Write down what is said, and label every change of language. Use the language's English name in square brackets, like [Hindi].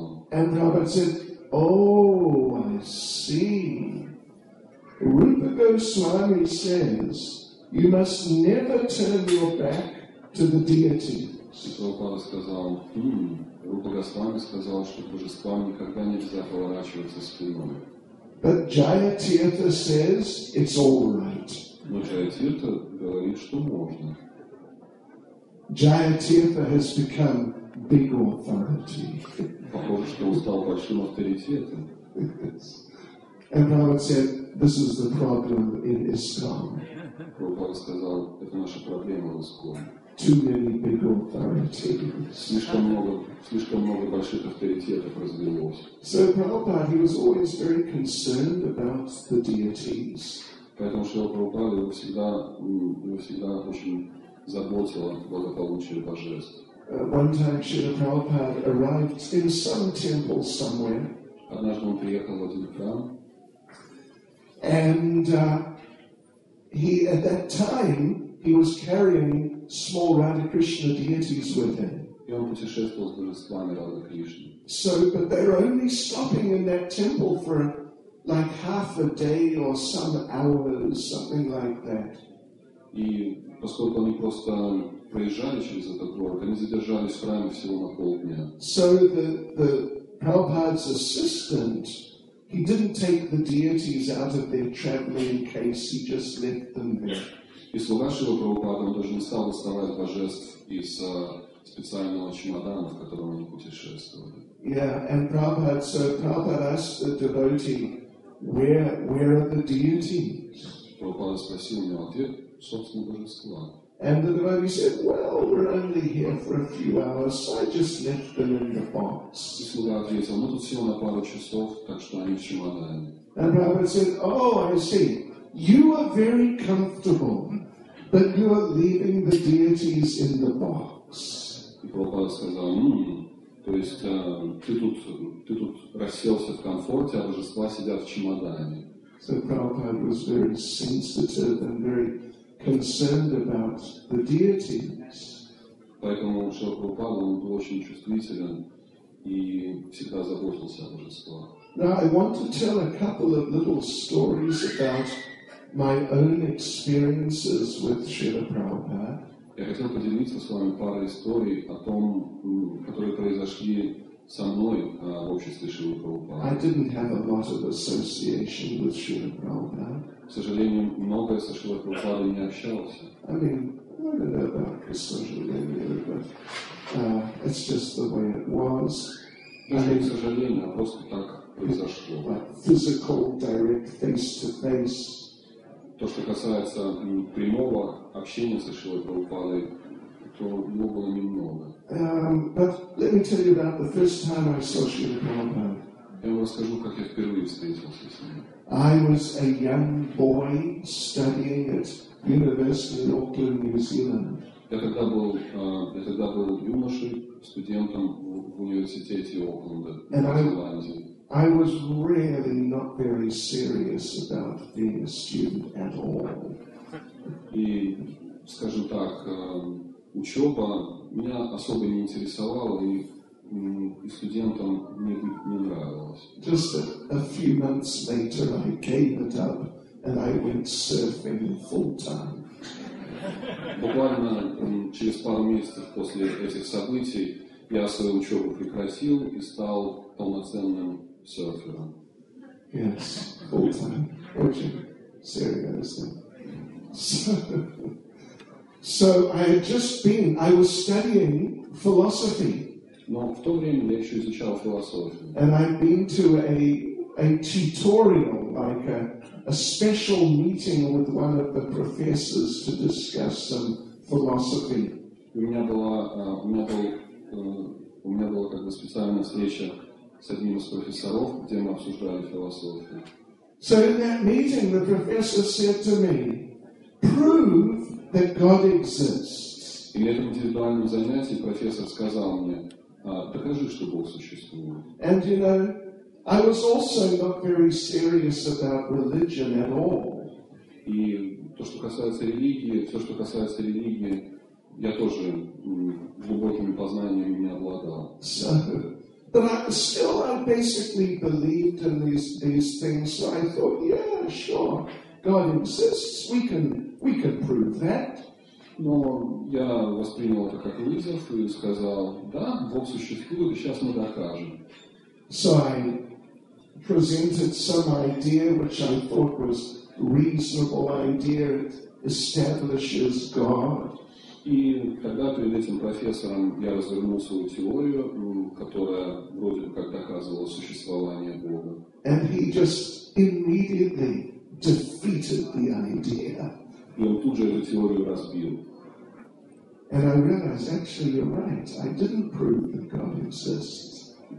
[English] And Prabhupada said, oh, I see. Rupa Goswami says, you must never turn your back to the deity. [Russian] Прабхупада сказал, Рупа Госвами сказал, что божествам никогда нельзя поворачиваться спиной. [English] But Jaya Tirtha says, it's all right. [Russian] Но Jaya Tirtha говорит, что можно. [English] Jaya Tirtha has become big authority. [Russian] Похоже, что он стал большим авторитетом. [English] And Prabhupada said, this is the problem in Islam. [Russian] Прабхупада сказал, это наша проблема в Исламе. [English] Too many big authorities. [Russian] Слишком много больших авторитетов развелось. [English] So Prabhupada, he was always very concerned about the deities. [Russian] Поэтому что Прабхупада его всегда очень заботило благополучие божеств. [English] One time Srila Prabhupada arrived in some temple somewhere. [Russian] Однажды он приехал в один храм. [English] And he at that time he was carrying small Radhakrishna deities with him. [Russian] И он путешествовал с божествами Радхакришны. [English] So but they were only stopping in that temple for like half a day or some hours, something like that. [Russian] И поскольку они просто проезжали через этот город, они задержались в храме всего на полдня. [English] So the Prabhupada's assistant, he didn't take the deities out of their traveling case, he just left them there. [Russian] И слуга Шрила Прабхупады, он даже не стал доставать божеств из специального чемодана, в котором они путешествовали. [English] Yeah, and Prabhupada asked the devotee, where are the deities? [Russian] Прабхупада спросил у него, где, собственно, божества? [English] And the devotee said, well, we're only here for a few hours, so I just left them in the box. [Russian] И слуга ответил, мы тут всего на пару часов, так что они в чемодане. [English] And Prabhupada said, oh, I see, you are very comfortable, but you are leaving the deities in the box. [Russian] И Прабхупада сказал, то есть ты тут расселся в комфорте, а божества сидят в чемодане. [English] So Prabhupada was very sensitive and very concerned about the deities. [Russian] Поэтому Шрила Прабхупада он был очень чувствителен и всегда заботился о божествах. [English] Now I want to tell a couple of little stories about my own experiences with Srila Prabhupada. [Russian] Я хотел поделиться с вами парой историй о том, которые произошли со мной в обществе Шрилы Прабхупады. [English] I didn't have a lot of association with Srila Prabhupada. [Russian] К сожалению, многое со Шрилой Прабхупадой не общался. [English] I mean, I don't know about the [Russian] сожалению, [English] but it's just the way it was. [Russian] Даже не к сожалению, а просто так произошло. [English] Physical, direct, face-to-face. [Russian] То, что касается прямого общения со Шрилой Прабхупадой, то его было немного. [English] But let me tell you about the first time I saw Srila Prabhupada. [Russian] Я вам расскажу, как я впервые встретился с ним. [English] I was a young boy studying at University in Auckland, New Zealand. [Russian] Я тогда был юношей, студентом в университете Окленда, в Зеландии. [English] I was really not very serious about being a student at all. [Russian] И, скажу так, учеба меня особо не интересовала, и студентам не нравилось. [English] Just a few months later, I gave it up, and I went surfing full-time. [Russian] Буквально через пару месяцев после этих событий я свою учебу прекратил и стал полноценным серфером. [English] Yes, full-time. [Russian] Очень серьезно. [English] So I had just been, I was studying philosophy. [Russian] Но в то время я еще изучал философию. [English] And I'd been to a tutorial, like a special meeting with one of the professors to discuss some philosophy. [Russian] У меня была как бы специальная встреча с одним из профессоров, где мы обсуждали философию. [English] So in that meeting, the professor said to me, "Prove that God exists." [Russian] И на этом индивидуальном занятии профессор сказал мне, докажи, что Бог существует. [English] And you know, I was also not very serious about religion at all. [Russian] И то, что касается религии, все, что касается религии, я тоже глубокими познаниями не обладал. [English] So, but I basically believed in these things. So I thought, yeah, sure, God exists. We can prove that. [Russian] Но я воспринял это как вызов и сказал, да, Бог существует, и сейчас мы докажем. [English] So I presented some idea which I thought was reasonable idea. It establishes God. [Russian] И тогда перед этим профессором я развернул свою теорию, которая вроде бы как доказывала существование Бога. [English] And he just immediately defeated the idea. [Russian] И он тут же эту теорию разбил. [English] And I realized, actually, you're right. I didn't prove that God exists.